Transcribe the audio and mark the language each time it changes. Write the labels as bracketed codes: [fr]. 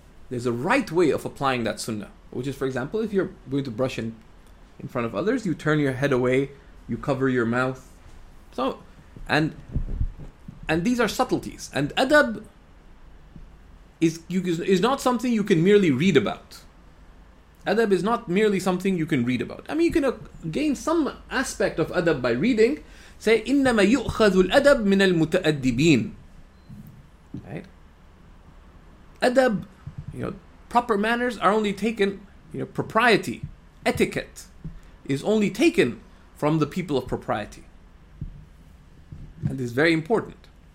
[en] There's a right way of applying that sunnah, which is, for example, if you're going to brush in front of others, you turn your head away, you cover your mouth. So, and these are subtleties. And adab is not something you can merely read about. Adab is not merely something you can read about. I mean, you can gain some aspect of adab by reading. Say, [ar] إِنَّمَا يُؤْخَذُ الْأَدَبْ مِنَ الْمُتَأَدِّبِينَ. [en] Right? Adab, you know, proper manners are only taken, you know, propriety, etiquette is only taken from the people of propriety. And it's very important.